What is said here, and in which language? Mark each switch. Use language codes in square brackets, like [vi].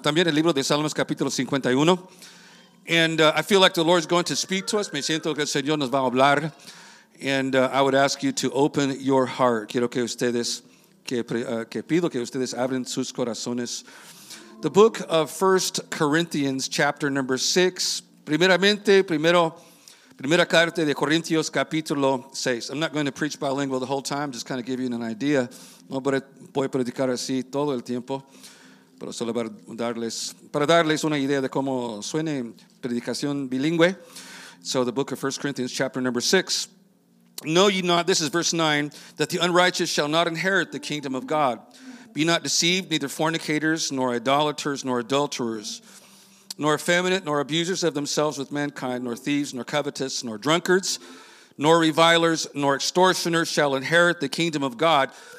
[es] También el libro de Salmos, capítulo 51. [en] And I feel like the Lord is going to speak to us. [es] Me siento que el Señor nos va a hablar. [en] And I would ask you to open your heart. [es] Quiero que ustedes, que pido que ustedes abren sus corazones. [en] The book of 1 Corinthians, chapter number 6. [es] Primeramente, primera carta de Corintios, capítulo 6. [en] I'm not going to preach bilingual the whole time, just kind of give you an idea. [es] No voy a predicar así todo el tiempo, pero solo para darles una idea de cómo suene predicación bilingüe. [en] So the book of 1 Corinthians, chapter number 6. Know ye not, this is verse 9, that the unrighteous shall not inherit the kingdom of God. Be not deceived, neither fornicators, nor idolaters, nor adulterers, nor effeminate, nor abusers of themselves with mankind, nor thieves, nor covetous, nor drunkards, nor revilers, nor extortioners shall inherit the kingdom of God.